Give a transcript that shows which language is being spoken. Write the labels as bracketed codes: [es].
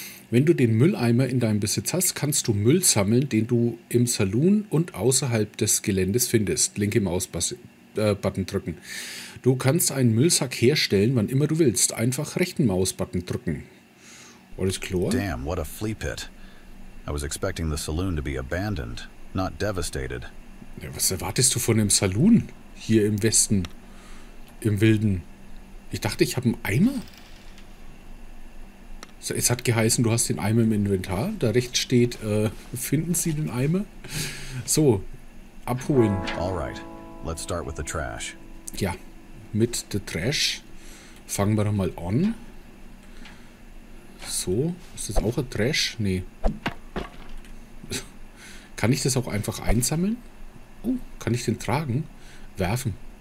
[de] Wenn du den Mülleimer in deinem Besitz hast, kannst du Müll sammeln, den du im Saloon und außerhalb des Geländes findest. Linke Maus-Button drücken. Du kannst einen Müllsack herstellen, wann immer du willst. Einfach rechten Maus-Button drücken. Alles klar. [en] Damn, what a flea pit. I was expecting the saloon to be abandoned, not devastated. [de] Ja, was erwartest du von dem Saloon hier im Westen, im Wilden? Ich dachte, ich habe einen Eimer. Es hat geheißen, du hast den Eimer im Inventar. Da rechts steht, finden Sie den Eimer? So, abholen. [en] All right, let's start with the trash. [de] Ja, mit der Trash fangen wir doch mal an. So, ist das auch ein Trash? Nee. Kann ich das auch einfach einsammeln? Oh, kann ich den tragen? Werfen.